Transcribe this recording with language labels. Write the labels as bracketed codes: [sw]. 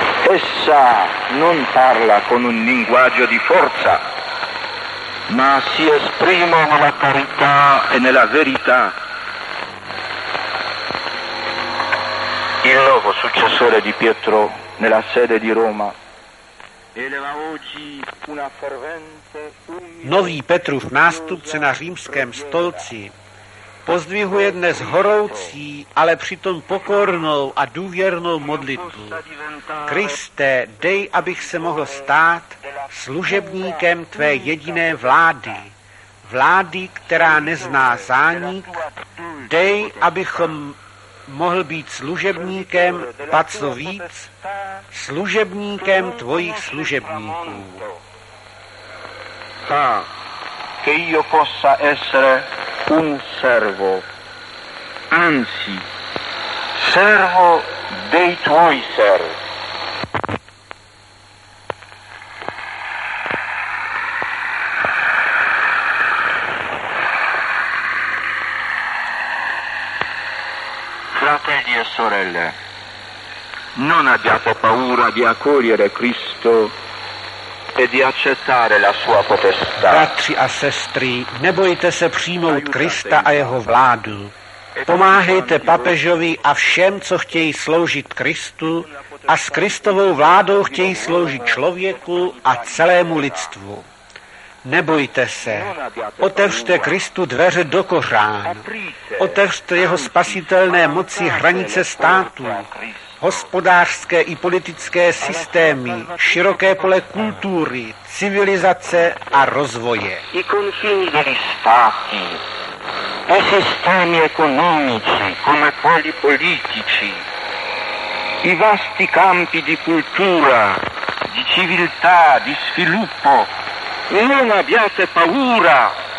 [it] Essa non parla con un linguaggio di forza, ma si esprime nella carità e nella verità. Il nuovo successore di Pietro nella sede di Roma eleva oggi una fervente umiltà. [cs] Nový Petrův nástupce na římském stolci pozdvihuje dnes horoucí, ale přitom pokornou a důvěrnou modlitbu. Kriste, dej, abych se mohl stát služebníkem tvé jediné vlády, vlády, která nezná zánik, dej, abychom mohl být služebníkem, ba co víc, služebníkem tvojich služebníků. [it] Ha, che io possa essere un servo, anzi, servo dei tuoi servi. Fratelli e sorelle, non abbiate paura di accogliere Cristo e di accettare la sua potestà. [cs] Bratři a sestry, nebojte se přijmout Krista a jeho vládu. Pomáhejte papežovi a všem, co chtějí sloužit Kristu a s Kristovou vládou chtějí sloužit člověku a celému lidstvu. Nebojte se, otevřte Kristu dveře do kořán, otevřte jeho spasitelné moci hranice států, hospodářské i politické systémy, široké pole kultury, civilizace a rozvoje. [it] I confini degli stati, i sistemi economici, come quelli politici, i vasti campi di cultura, di civiltà, di sviluppo. Non abbiate paura!